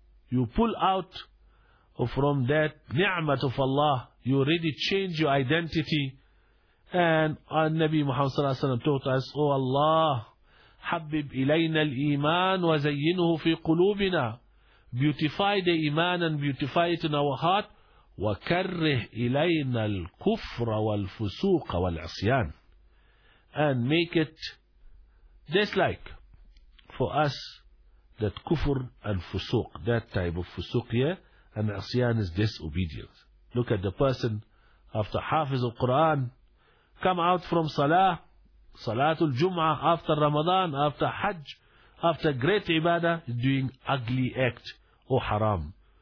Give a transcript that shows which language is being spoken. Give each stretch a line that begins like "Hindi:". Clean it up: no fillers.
English: You pull out from that ni'mat of Allah, you already change your identity. And our Nabi Muhammad sallallahu alayhi wa sallam taught us, oh Allah,
Arabic: habib ilayna al-iman wa zayyinuhu fi qulubina.
English: beautify the iman and beautify it in our heart.
Arabic: وكره إلينا الكفر والفسوق والعصيان.
English: And make it dislike for us that kufr and fusuq, that type of fusuq here, and asyan is disobedience. Look at the person after hafiz of Quran, come out from salah, salatul jum'ah, after Ramadan, after Hajj, after great ibadah, doing ugly act, oh haram.